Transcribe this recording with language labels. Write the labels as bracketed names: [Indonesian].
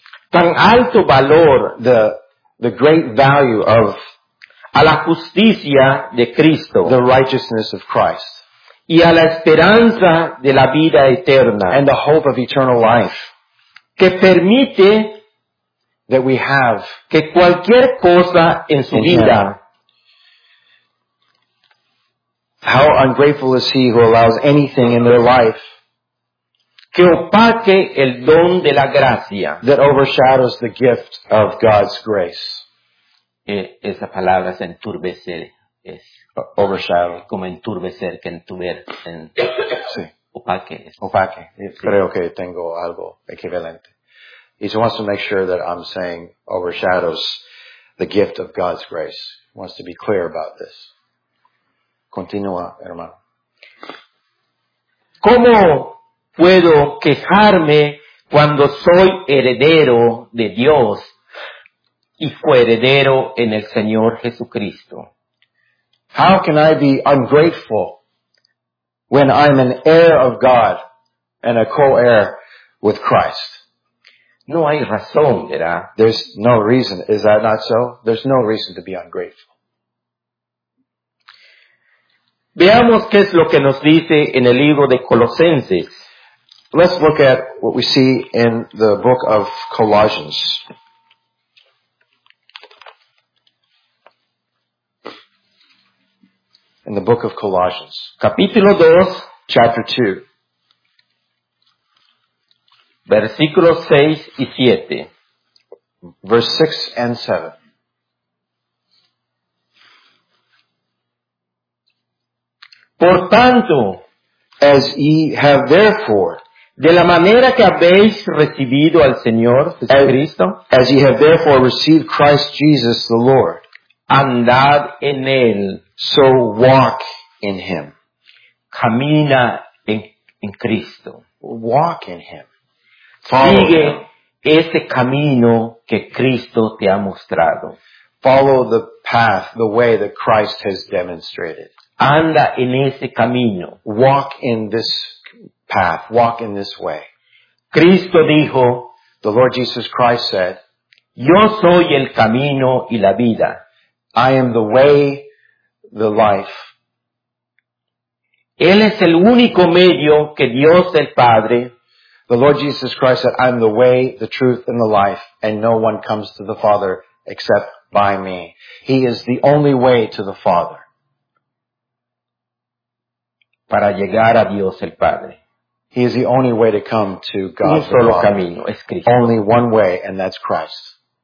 [Spanish] Tan alto valor. [English] The great value of. [Spanish] A la justicia de Cristo. [English] The righteousness of Christ. [Spanish] Y a la esperanza de la vida eterna. [English] And the hope of eternal life. [Spanish] Que permite. [English] That we have. [Spanish] Que cualquier cosa en su vida. [English] How ungrateful is he who allows anything in their life [Spanish] que opaque el don de la gracia. [English] That overshadows the gift of God's grace. [Spanish] Esa palabra es enturbecer. Es [English] overshadow. [Spanish] Como enturbecer, que entuber. En sí. [English] Opaque. [Spanish] Opaque. Sí. Creo que tengo algo equivalente. [English] He wants to make sure that I'm saying overshadows the gift of God's grace. He wants to be clear about this. [Spanish] Continúa, hermano. ¿Cómo puedo quejarme cuando soy heredero de Dios y coheredero en el Señor Jesucristo? [English] How can I be ungrateful when I'm an heir of God and a co-heir with Christ? [Spanish] No hay razón, ¿verdad? [English] There's no reason. Is that not so? There's no reason to be ungrateful. [Spanish] Veamos qué es lo que nos dice en el libro de Colosenses. [English] Let's look at what we see in the book of Colossians. In the book of Colossians. [Spanish] Capítulo 2. [English] Chapter 2. [Spanish] Versículos 6 y 7. [English] Verse 6 and 7. [Spanish] Por tanto, [English] as ye have therefore, [Spanish] de la manera que habéis recibido al Señor Jesucristo, [English] as ye have therefore received Christ Jesus the Lord, [Spanish] andad en él, [English] so walk in him. [Spanish] Camina en Cristo. [English] Walk in him. Follow [Spanish] Sigue [English] him. [Spanish] Ese camino que Cristo te ha mostrado. [English] Follow the path, the way that Christ has demonstrated. [Spanish] Anda en ese camino. [English] Walk in this path. Walk in this way. [Spanish] Cristo dijo, [English] the Lord Jesus Christ said, [Spanish] yo soy el camino y la vida. [English] I am the way, the life. [Spanish] Él es el único medio que Dios el Padre. [English] The Lord Jesus Christ said, I am the way, the truth, and the life, and no one comes to the Father except by me. He is the only way to the Father. [Spanish] Para llegar a Dios el Padre. [English] He is the only way to come to God the Father. [Spanish] Camino es Cristo. [English] Only one way, and that's Christ.